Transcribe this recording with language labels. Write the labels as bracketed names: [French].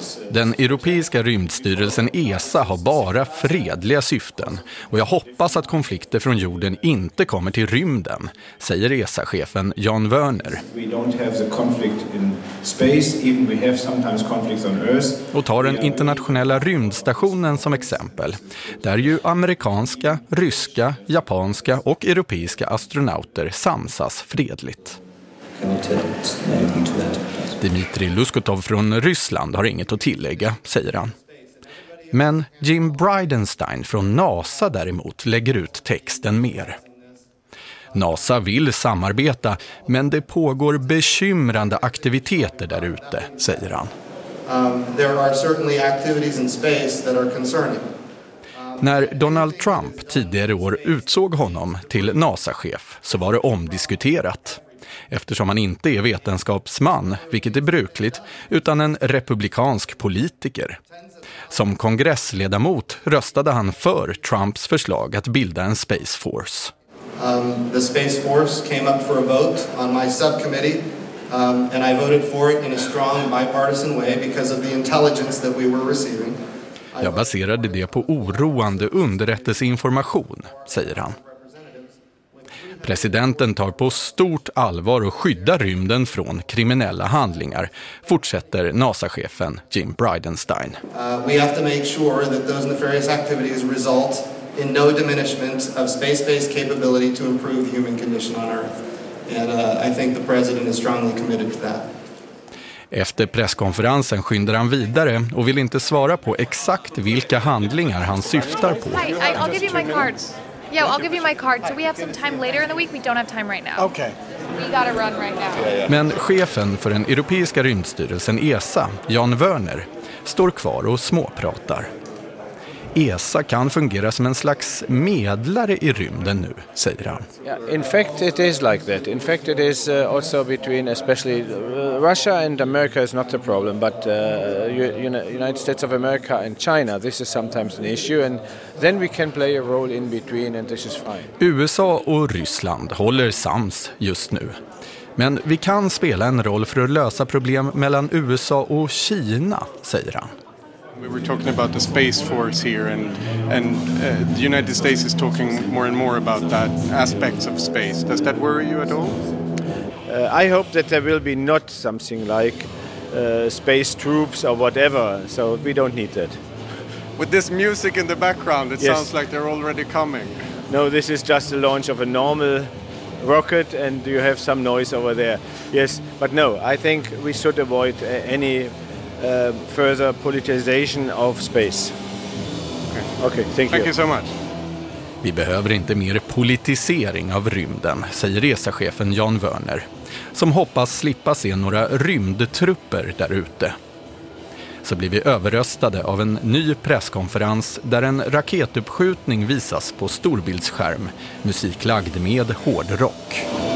[Swedish] Den europeiska rymdstyrelsen ESA har bara fredliga syften och jag hoppas att konflikter från jorden inte kommer till rymden, säger ESA-chefen Jan Werner. [English] We don't have the conflict in space, even we have sometimes conflicts on Earth. [Swedish] Och tar den internationella rymdstationen som exempel, där ju amerikanska, ryska, japanska och europeiska astronauter samsas fredligt. Dmitrij Luskotov från Ryssland har inget att tillägga, säger han. Men Jim Bridenstine från NASA däremot lägger ut texten mer. NASA vill samarbeta, men det pågår bekymrande aktiviteter där ute, säger han. [English] There are certainly activities in space that are concerning. [Swedish] När Donald Trump tidigare år utsåg honom till NASA-chef så var det omdiskuterat. Eftersom han inte är vetenskapsman, vilket är brukligt, utan en republikansk politiker. Som kongressledamot röstade han för Trumps förslag att bilda en Space Force. [English] The Space Force came up for a vote on my subcommittee, and I voted for it in a strong bipartisan way because of the intelligence that we were receiving. [Swedish] Jag baserade det på oroande underrättelseinformation, säger han. Presidenten tar på stort allvar och skyddar rymden från kriminella handlingar, fortsätter NASA-chefen Jim Bridenstine. [English] We have to make sure that those nefarious activities result in no diminishment of space-based capability to improve the human condition on Earth. And I think the president is strongly committed to that. [Swedish] Efter presskonferensen skyndar han vidare och vill inte svara på exakt vilka handlingar han syftar på. [English] I'll give you my cards. Yeah, I'll give you my card. So we have some time later in the week. We don't have time right now. Okay. We gotta run right now. [Swedish] Men chefen för den europeiska rymdstyrelsen ESA, Jan Werner, står kvar och småpratar. ESA kan fungera som en slags medlare i rymden nu, säger han. [English] Yeah, in fact it is like that. In fact it is also between especially Russia and America is not the problem, but United States of America and China, this is sometimes an issue and then we can play a role in between and this is fine. [Swedish] USA och Ryssland håller sams just nu. Men vi kan spela en roll för att lösa problem mellan USA och Kina, säger han. [English] We were talking about the space force here and the United States is talking more and more about that aspects of space. Does that worry you at all? I hope that there will be not something like space troops or whatever, so we don't need that. With this music in the background, it sounds like they're already coming. No, this is just the launch of a normal rocket and you have some noise over there. Yes, but no, I think we should avoid any further politicization of space. Okay, thank you so much. [Swedish] Vi behöver inte mer politisering av rymden, säger ESA-chefen Jan Werner, som hoppas slippa se några rymdtrupper där ute. så blir vi överröstade av en ny presskonferens där en raketuppskjutning visas på storbildsskärm, musik lagd med hårdrock.